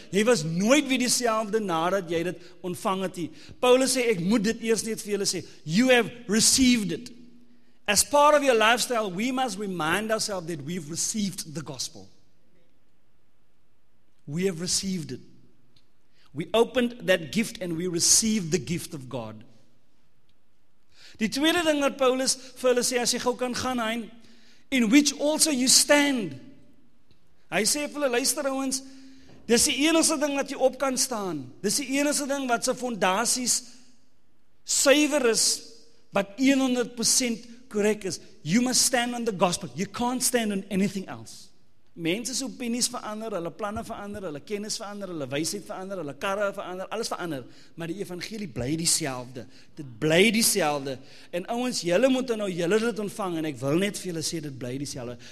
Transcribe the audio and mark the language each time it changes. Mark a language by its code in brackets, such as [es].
[af] Jy was nooit weer dieselfde nadat jy dit ontvang het. Paulus sê, ek moet dit eers net vir julle sê. [en] You have received it. As part of your lifestyle, we must remind ourselves that we've received the gospel. We have received it. We opened that gift and we received the gift of God. [af] Die tweede ding wat Paulus vir hulle sê, as jy gou kan gaan, hein, [en] in which also you stand. [af] Hy sê vir hulle, luister ouens, dis die enigste ding wat jy op kan staan, dis die enigste ding wat sy fondasies suiwer is, wat 100% correct is. [en] You must stand on the gospel, you can't stand on anything else. [af] Mense se opinies verander, hulle planne verander, hulle kennis verander, hulle wysheid verander, hulle karre verander, alles verander, maar die evangelie bly dieselfde. Dit bly dieselfde. En ouens, julle moet nou julle dit ontvang en ek wil net vir julle sê dit bly dieselfde.